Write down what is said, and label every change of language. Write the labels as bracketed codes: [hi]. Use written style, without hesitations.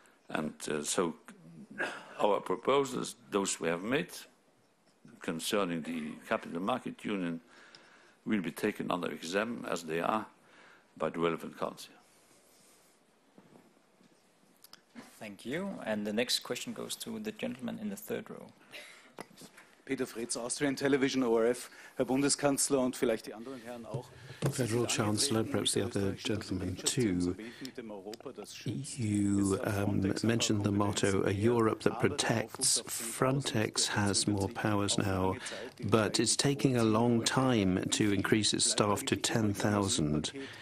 [en] And so our proposals, those we have made concerning the Capital Market Union, will be taken under exam as they are by the relevant council. Thank you. And the next question goes to the gentleman in the third row. Peter Fritz, Austrian Television, ORF. [de] Herr Bundeskanzler und vielleicht die anderen Herren auch. [en] Federal Chancellor, perhaps the other gentleman too, you mentioned the motto, a Europe that protects. Frontex has more powers now, but it's taking a long time to increase its staff to 10,000.